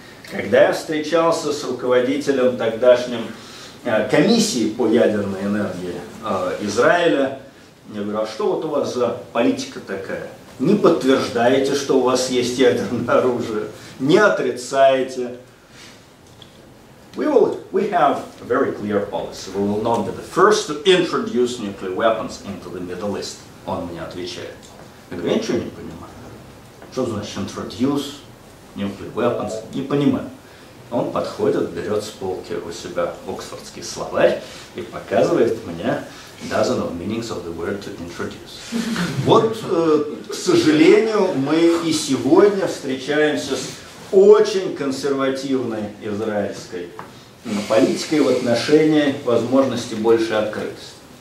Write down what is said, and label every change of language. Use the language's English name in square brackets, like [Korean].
[Russian] Когда я встречался с руководителем тогдашним комиссии по ядерной энергии Израиля, я говорю, а что вот у вас за политика такая? Не подтверждаете, что у вас есть ядерное оружие, не отрицаете. [English] We have a very clear policy. We will not be the first to introduce nuclear weapons into the Middle East. [Russian] Он мне отвечает. Я говорю, я ничего не понимаю. Что значит [English] introduce nuclear weapons? [Russian] Не понимаю. Он подходит, берет с полки у себя оксфордский словарь и показывает мне [English] dozen of meanings of the word to introduce. [Russian] Вот, к сожалению, мы и сегодня встречаемся с очень консервативной израильской политикой в отношении возможности большей открытости.